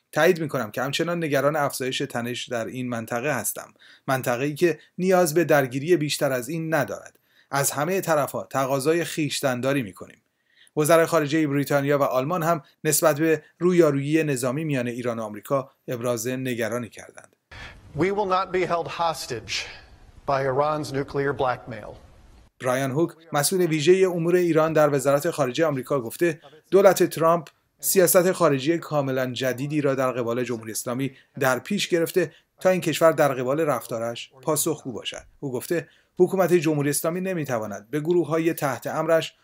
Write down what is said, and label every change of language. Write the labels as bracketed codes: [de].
[fa] تایید می‌کنم که همچنان نگران افزایش تنش در این منطقه هستم. منطقه‌ای که نیاز به درگیری بیشتر از این ندارد. از همه طرف‌ها تقاضای خیشتنداری می‌کنیم. وزرای خارجه بریتانیا و آلمان هم نسبت به رویارویی نظامی میان ایران و آمریکا ابراز نگرانی کردند. [en] We will not be held hostage by Iran's nuclear blackmail. [fa] برایان هوک، مسئول ویژه امور ایران در وزارت خارجه آمریکا گفته دولت ترامپ سیاست خارجی کاملا جدیدی را در قبال جمهوری اسلامی در پیش گرفته تا این کشور در قبال رفتارش پاسخگو باشد. او گفته حکومت جمهوری اسلامی نمیتواند به گروه‌های تحت امرش